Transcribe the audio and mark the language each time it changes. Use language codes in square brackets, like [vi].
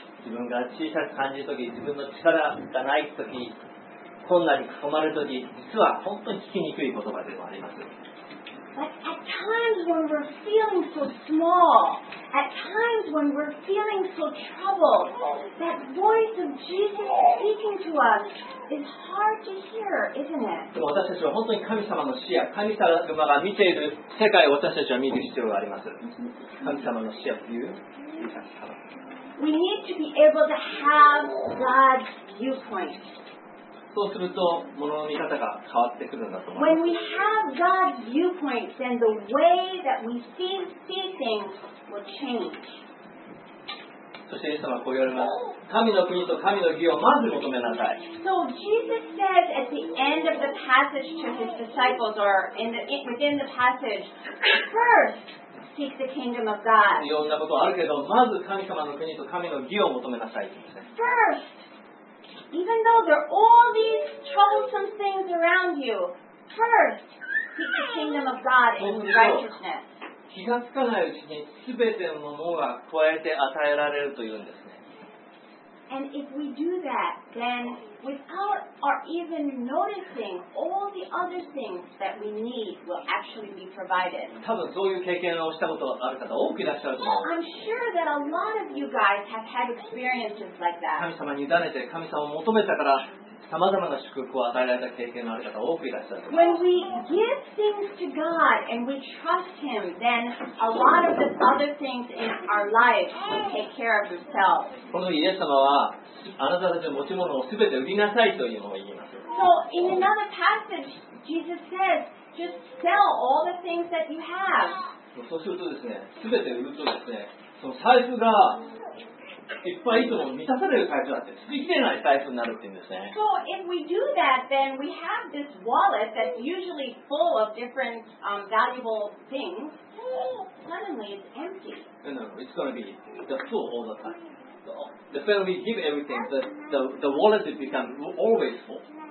[ja] 自分が小さく感じるとき、自分の力がないとき、困難に囲まれるとき、実は本当に聞きにくい言葉でもあります。 [en] But at times when we're feeling so small, at times when we're feeling so troubled, that voice of Jesus speaking to us is hard to hear, isn't it? [ja] でも私たちは本当に神様の視野、神様が見ている世界を私たちは見る必要があります。神様の視野という [en] We need to be able to have God's viewpoint. [ja] そうすると物の見方が変わってくるんだと思います。 [en] When we have God's viewpoint, then the way that we see things will change. [ja] そしてイエス様はこう言われます。神の国と神の義をまず求めなさい。 [en] So Jesus says at the end of the passage to his disciples, or within the passage, first seek the kingdom of God. [ja] いろんなことあるけど、まず神様の国と神の義を求めなさい。 [en] First. Even though there are all these troublesome things around you, first seek the kingdom of God and righteousness. [ja] 気がつかないうちに全てのものが加えて与えられるというんですね。 [en] And if we do that, then without our even noticing, all the other things that we need will actually be provided. [ja] 多分そういう経験をしたことある方多くいらっしゃると思う。 [en] I'm sure that a lot of you guys have had experiences like that. [ja] 神様に委ねて神様を求めたから様々な祝福を与えられた経験のある方多くいらっしゃると思う。 [en] When we give things to God and we trust Him, then a lot of the other things in our life will take care of themselves. [ja] このイエス様はあなたたちの持ち物をすべて売りなさいというのを言います。 [en] So in another passage, Jesus says, just sell all the things that you have. [ja] そうするとですね、すべて売るとですね、その財布がいっぱいいつも満たされるタイプだって、つききれないタイプになるっていうんですね。 [en] So if we do that, then we have this wallet that's usually full of different、valuable things. Suddenly it's empty. No, it's going to be the full all the time. The when we give everything, the wallet will become always full.